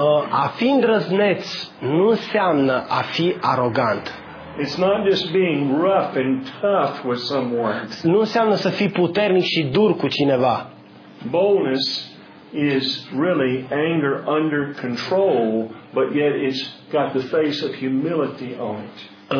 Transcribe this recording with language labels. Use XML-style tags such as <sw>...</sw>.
<ro>A fi îndrăzneț nu înseamnă a fi arogant.</ro> <en>It's not just being rough and tough with someone.</en> <ro>Nu înseamnă să fii puternic și dur cu cineva.</ro> <en>Boldness is really anger under control, but yet it's got the face of humility on it.</en>